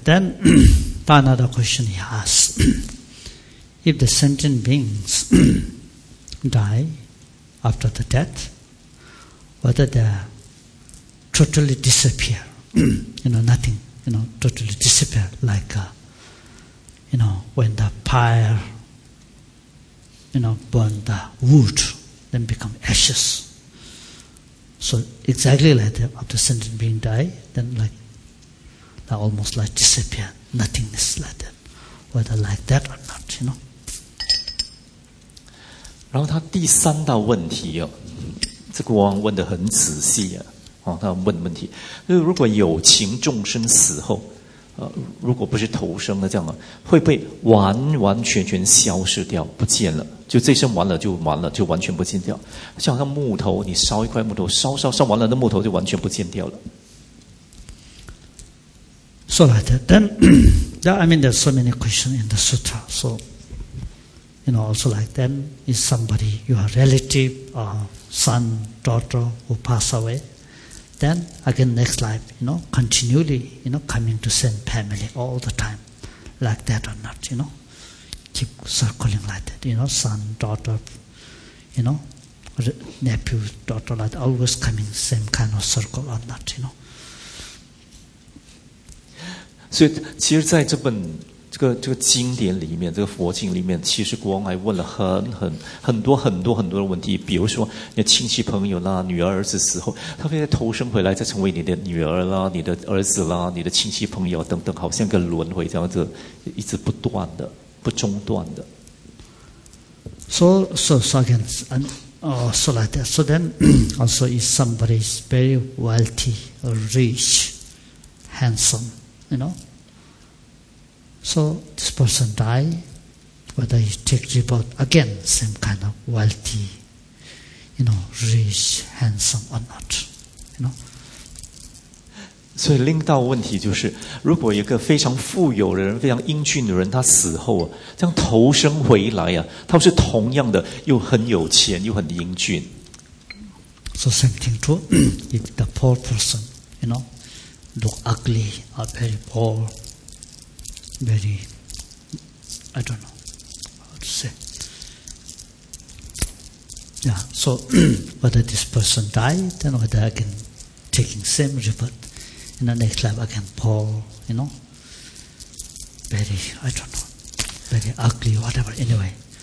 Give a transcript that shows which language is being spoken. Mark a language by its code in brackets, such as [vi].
[en] Then, another question he asks. If the sentient beings die after the death, whether they're totally disappear, you know, nothing, you know, totally disappear, like, you know, when the fire, you know, burn the wood, then become ashes. So exactly like that, after sentient being die, then like, they almost like disappear, nothingness like that, whether like that or not, you know. [zh] 然后他第三道问题哦，这个国王问得很仔细啊。他问问题，就是如果有情众生死后，如果不是投生的这样，会被完完全全消失掉，不见了，就这生完了就完了，就完全不见掉。像那木头，你烧一块木头，烧完了，那木头就完全不见掉了。 [en] So like that, then, I mean, there's so many questions in the sutra. So, you know, also like then, is somebody your relative, son, daughter who pass away? Then again, next life, you know, continually, you know, coming to same family all the time, like that or not, you know, keep circling like that, you know, son, daughter, you know, nephew, daughter, like always coming same kind of circle or not, you know. [zh] 所以，其实在这本这个经典里面，这个佛经里面，其实国王还问了很多的问题，比如说你的亲戚朋友啦，女儿儿子死后，他会再投生回来，再成为你的女儿啦，你的儿子啦，你的亲戚朋友等等，好像个轮回这样子，一直不断的，不中断的。 [en] So again, and so like that. So then, also if somebody is very wealthy, rich, handsome, you know. So this person die, whether he take rebirth again, same kind of wealthy, you know, rich, handsome or not, you know. [zh] 所以另一道问题就是，如果一个非常富有的人、非常英俊的人，他死后啊，这样投生回来啊，他是同样的，又很有钱，又很英俊。 [en] So same thing too. If the poor person, you know, look ugly or very poor. Very, I don't know how to say. Yeah, so whether this person died, then whether again taking same rebirth in the next life again, poor, you know, very, I don't know, very ugly, whatever, anyway,